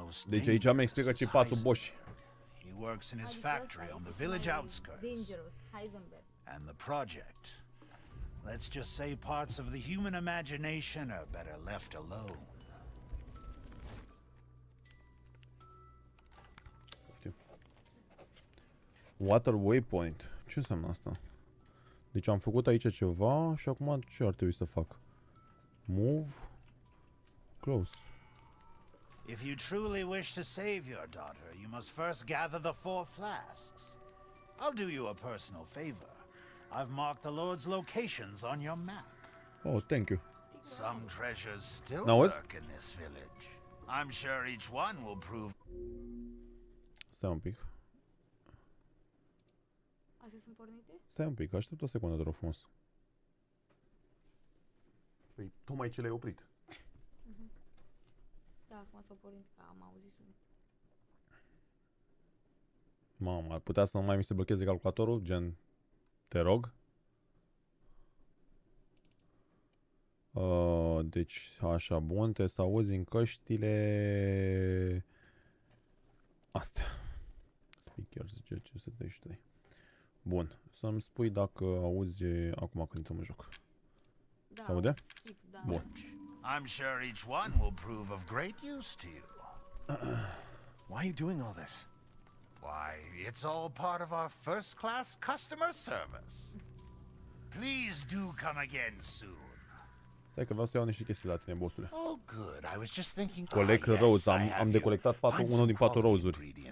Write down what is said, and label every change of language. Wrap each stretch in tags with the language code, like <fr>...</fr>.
<ro>Deci aici am explicat ce e patul boș.</ro> <en>He works in his factory on the village outskirts. Dangerous Heisenberg. And the project. Let's just say parts of the human imagination are better left alone. Water waypoint.</en> <ro>Ce înseamnă asta? Deci am făcut aici ceva și acum ce ar trebui să fac?</ro> <en>Move close. If you truly wish to save your daughter, you must first gather the four flasks. I'll do you a personal favor. I've marked the Lord's locations on your map. Oh, thank you. Some treasures still lurk in this village. I'm sure each one will prove.</en> <ro>Stai un pic. Sunt pornite? Stai un pic, aștept o secundă, te rog frumos. Păi, tocmai ce l-ai oprit. Da, acum s-a pornit, că am auzit un. Mamă, ar putea să nu mai mi se blocheze calculatorul, gen, te rog. Deci, așa, bun, te să auzi în căștile... Astea. Speakers, GC73. Bun, să-mi spui dacă auzi acum când intrăm în joc. Da. Se aude? Da. Bun.</ro> <en>I'm sure each one will prove of great use to you. Why are you doing all this? Why, it's all part of our first class customer service. Please do come again soon.</en> <ro>Stai că vreau să iau niște chestii la tine, bossule.</ro> <en>Oh, good. I was just thinking. Colect rose.</en> <ro>Am decolectat unul din patru rose-uri.</ro>